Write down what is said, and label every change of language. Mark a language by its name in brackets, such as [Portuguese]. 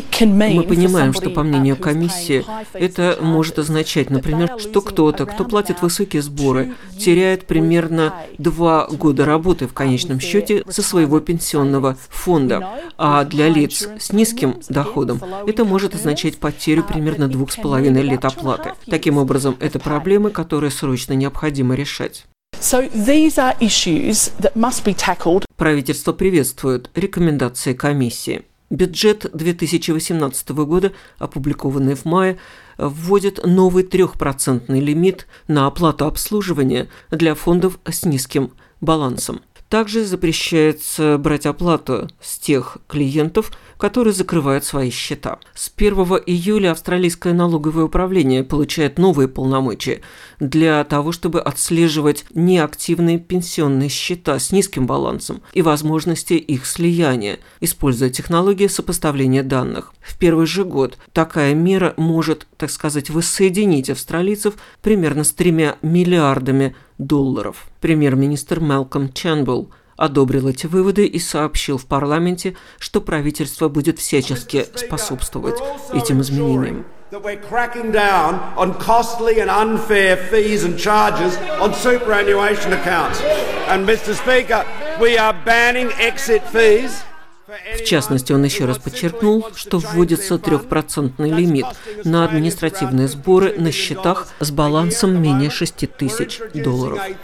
[Russian] Мы понимаем, что, по мнению комиссии, это может означать, например, что кто-то, кто платит высокие сборы, теряет примерно 2 года работы в конечном счете со своего пенсионного фонда. А для лиц с низким доходом это может означать потерю примерно 2,5 лет оплаты. Таким образом, это проблемы, которые срочно необходимо решать. [English] So these are issues that must be tackled. [Russian] Правительство приветствует рекомендации комиссии. Бюджет 2018 года, опубликованный в мае, вводит новый 3% лимит на оплату обслуживания для фондов с низким балансом. Также запрещается брать оплату с тех клиентов, которые закрывают свои счета. С 1 июля Австралийское налоговое управление получает новые полномочия для того, чтобы отслеживать неактивные пенсионные счета с низким балансом и возможности их слияния, используя технологии сопоставления данных. В первый же год такая мера может, так сказать, воссоединить австралийцев примерно с 3 миллиардами долларов. Премьер-министр Малком Чэмбелл одобрил эти выводы и сообщил в парламенте, что правительство будет всячески способствовать этим изменениям. [English] That we're cracking down on costly and unfair fees and charges on superannuation accounts. And Mr. Speaker, we are banning exit fees. [Russian] В частности, он еще раз подчеркнул, что вводится 3% лимит на административные сборы на счетах с балансом менее 6 тысяч долларов.